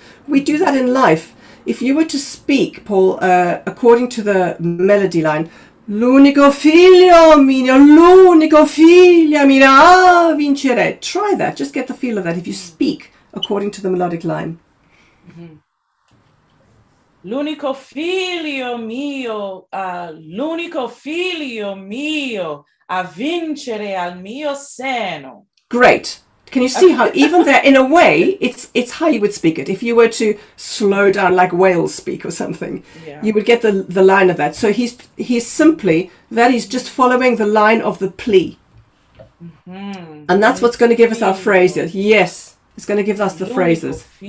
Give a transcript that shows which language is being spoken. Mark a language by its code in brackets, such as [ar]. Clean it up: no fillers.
[en] We do that in life. If you were to speak, Paul, according to the melody line, [it] l'unico figlio mio, l'unico figlia mia, a vincere. [en] Try that. Just get the feel of that if you speak according to the melodic line. [it] L'unico figlio mio, l'unico figlio mio, a vincere al mio seno. [en] Great. Can you see how even there, in a way, it's how you would speak it. If you were to slow down like whales speak or something, you would get the line of that. So he's simply, that he's just following the line of the plea. Mm-hmm. And that's what's going to give us our phrases. Yes, it's going to give us the l'unico phrases.